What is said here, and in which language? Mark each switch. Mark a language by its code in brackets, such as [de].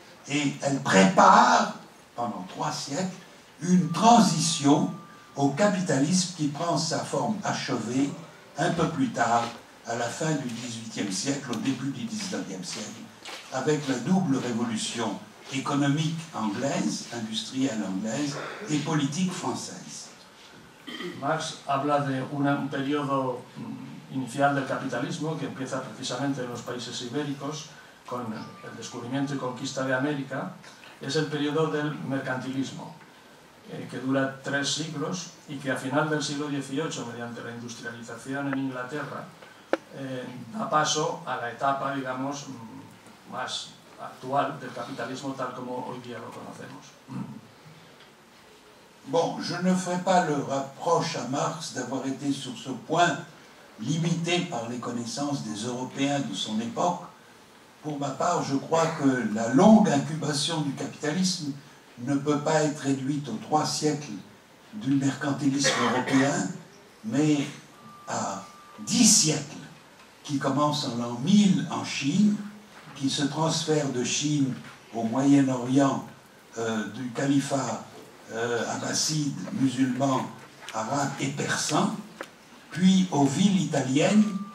[fr] Et elle prépare, pendant 3 siècles, une transition au capitalisme qui prend sa forme achevée un peu plus tard, à la fin du XVIIIe siècle, au début du XIXe siècle, avec la double révolution économique anglaise, industrielle anglaise, et politique française. [es] Marx habla de un periodo inicial del capitalismo que empieza precisamente en los países ibéricos con el descubrimiento y conquista de América. Es el periodo del mercantilismo, que dura 3 siglos y que a final del siglo XVIII, mediante la industrialización en Inglaterra, da paso a la etapa, digamos, más actual del capitalismo tal como hoy día lo conocemos. [fr] Bon, je ne ferai pas le reproche à Marx d'avoir été sur ce point limité par les connaissances des Européens de son époque. Pour ma part, je crois que la longue incubation du capitalisme ne peut pas être réduite aux 3 siècles du mercantilisme européen, mais à 10 siècles qui commencent en l'an 1000 en Chine, qui se transfèrent de Chine au Moyen-Orient du califat abbassides, musulmans, arabes et persans, puis aux villes italiennes,